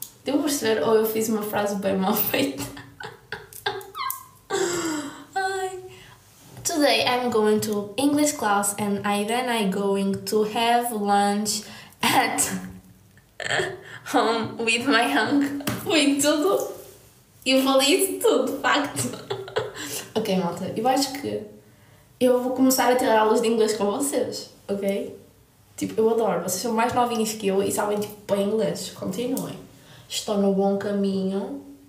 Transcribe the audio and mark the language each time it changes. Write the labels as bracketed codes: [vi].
[pt] Devo perceber ou eu fiz uma frase bem mal feita. [en] Hi. Today I'm going to English class and then I'm going to have lunch at home with my uncle. [pt] Foi tudo. Eu falei isso tudo, de facto. Ok, malta. Eu acho que eu vou começar a ter aulas de inglês com vocês, ok? Tipo, eu adoro. Vocês são mais novinhos que eu e sabem, tipo, bem inglês. Continuem. Estou no bom caminho.